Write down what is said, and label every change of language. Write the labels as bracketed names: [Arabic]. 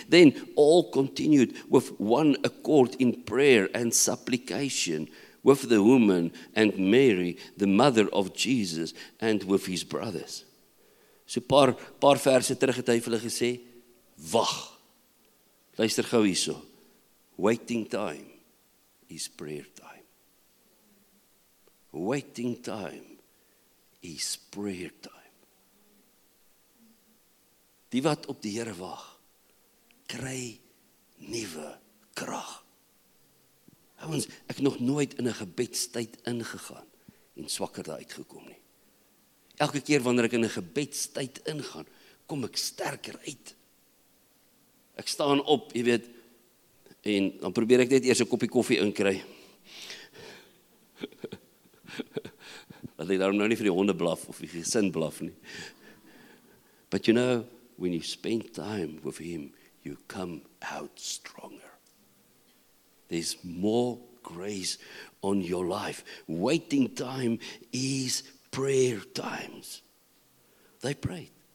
[English] Then all continued with one accord in prayer and supplication with the woman and Mary, the mother of Jesus, and with his brothers. [Afrikaans] So paar verse terug het hy vir hulle gesê, wag. Luister gou hierso. [English] Waiting time is prayer time. Waiting time is prayer time. [Afrikaans] Die wat op die Here wag, kry nuwe krag. Ons ek nog nooit in 'n gebedstyd ingegaan en swakker daar uitgekom nie. Elke keer wanneer ek in 'n gebedstyd ingaan, kom ek sterker uit. Ek staan op, jy weet, en dan probeer ek net eers 'n koppie koffie inkry. Want ek daarom nou nie vir die honde blaf of die gesin blaf nie. [English] But you know, when you spend time with him, you come out stronger. There's more grace on your life. Waiting time is prayer times. They prayed.